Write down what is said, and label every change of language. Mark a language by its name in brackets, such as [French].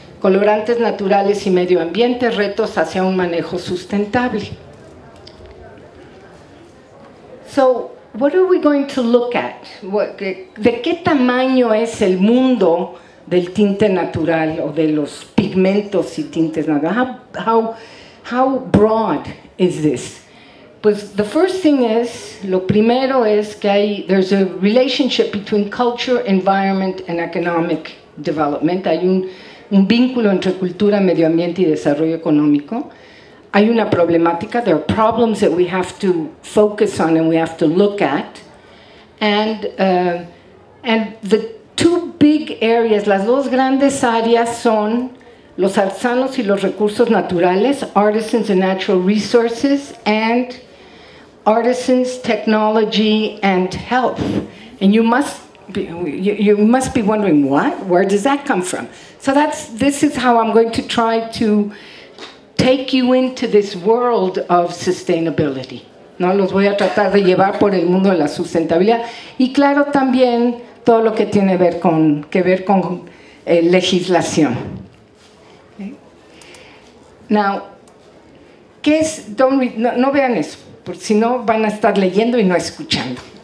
[Spanish] Colorantes naturales y medio ambiente, retos hacia un manejo sustentable. [English] So what are we going to look at? [Spanish] ¿De qué tamaño es el mundo del tinte natural o de los pigmentos y tintes naturales? [English] How broad is this? [Spanish] Pues [English] the first thing is, [Spanish] lo primero es que hay, [English] there's a relationship between culture, environment, and economic development. [Spanish] Hay un vínculo entre cultura, medio ambiente y desarrollo económico. Hay una problemática, [English] there are problems that we have to focus on and we have to look at. And the two big areas, [Spanish] las dos grandes áreas son los artesanos y los recursos naturales, [English] artisans and natural resources, and artisans, technology, and health. And you must be wondering, what? Where does that come from? So this is how I'm going to try to take you into this world of sustainability. [Spanish] No, los voy a tratar de llevar por el mundo de la sustentabilidad. Y claro, también todo lo que tiene que ver con legislación. Okay. Now, ¿qué es? [English] Don't read, [Spanish] no vean eso, porque si no van a estar leyendo y no escuchando.